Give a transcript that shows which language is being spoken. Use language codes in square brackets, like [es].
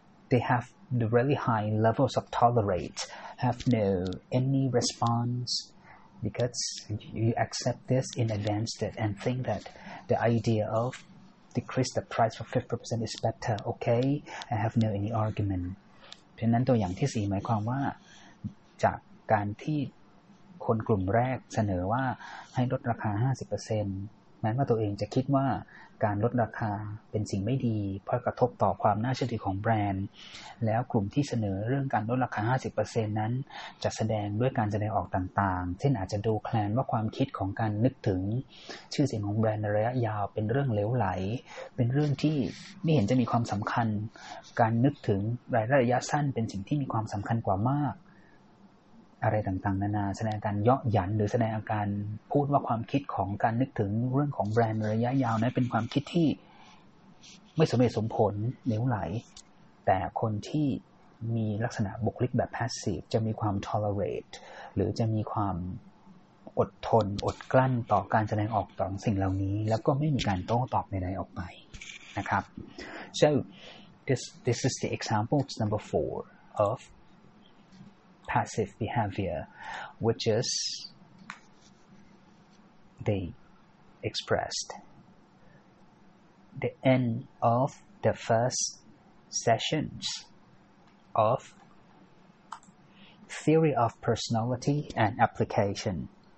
[en] They have the really high levels of tolerance, have no any response because you accept this in advance and think that the idea of decrease the price for 50% is better. Okay, I have no any argument. [th] เพราะนั้นตัวอย่างที่สี่หมายความว่าจากการที่คนกลุ่มแรกเสนอว่าให้ลดราคา 50%แม้ว่าตัวเองจะคิดว่าการลดราคาเป็นสิ่งไม่ดีเพราะกระทบต่อความน่าเชื่อถือของแบรนด์แล้วกลุ่มที่เสนอเรื่องการลดราคา 50% นั้นจะแสดงด้วยการแสดงออกต่างๆเช่นอาจจะดูแคลนว่าความคิดของการนึกถึง ชื่อเสียงของแบรนด์ในระยะยาวเป็นเรื่องเหลวไหลเป็นเรื่องที่ไม่เห็นจะมีความสำคัญการนึกถึงรายได้ระยะสั้นเป็นสิ่งที่มีความสำคัญกว่ามาก อะไรต่างๆนานาแสดงการเยาะหยันหรือแสดงอาการพูดว่าความคิดของการนึกถึงเรื่องของแบรนด์ระยะยาวนั้นเป็นความคิดที่ไม่สมเหตุสมผลเหลวไหลแต่คนที่มีลักษณะบุคลิกแบบ passive จะมีความ tolerate หรือจะมีความอดทนอดกลั้นต่อการแสดงออกต่อสิ่งเหล่านี้แล้วก็ไม่มีการโต้ตอบใดๆออกไปนะครับ [en] so this is the example number 4 ofPassive behavior, which is they expressed. The end of the first sessions of theory of personality and application.